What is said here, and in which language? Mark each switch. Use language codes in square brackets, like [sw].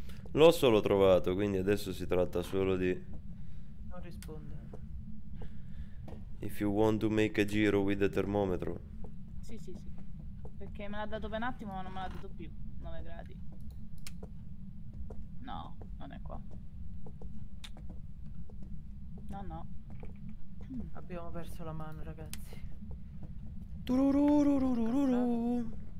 [it] L'ho solo trovato, quindi adesso si tratta solo di... Non risponde. [en] If you want to make a giro with the thermometer. [it] Sì, sì, sì. Perché me l'ha dato per un attimo, ma non me l'ha dato più. 9 gradi. No, non è qua. No, no. Abbiamo perso la mano, ragazzi. Turururururururu.